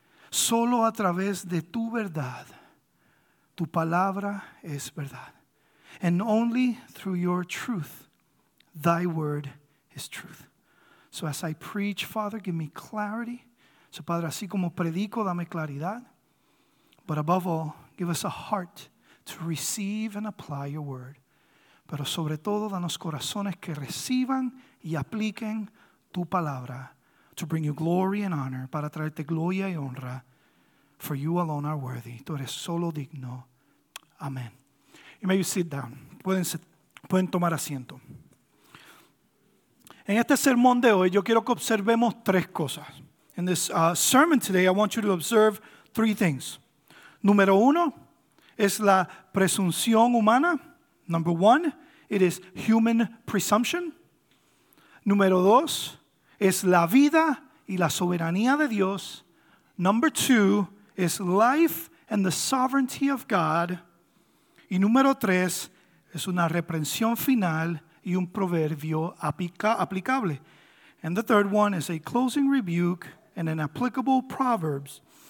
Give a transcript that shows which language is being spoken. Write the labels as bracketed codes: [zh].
[es] Solo a través de tu verdad, tu palabra es verdad. [en] And only through your truth, thy word is truth. So as I preach, Father, give me clarity. [es] So, Padre, así como predico, dame claridad. [en] But above all, give us a heart to receive and apply your word. [es] Pero sobre todo, danos corazones que reciban y apliquen tu palabra [en] to bring you glory and honor, [es] para traerte gloria y honra. [en] For you alone are worthy. [es] Tú eres solo digno. Amen. [en] You may sit down. [es] Pueden tomar asiento. En este sermón de hoy, yo quiero que observemos tres cosas. [en] In this sermon today, I want you to observe three things. [es] Número uno es la presunción humana. [en] Number one, it is human presumption. [es] Número dos es la vida y la soberanía de Dios. [en] Number two is life and the sovereignty of God. [es] Y número tres es una reprensión final y un proverbio aplicable. [en] And the third one is a closing rebuke and an applicable proverbs.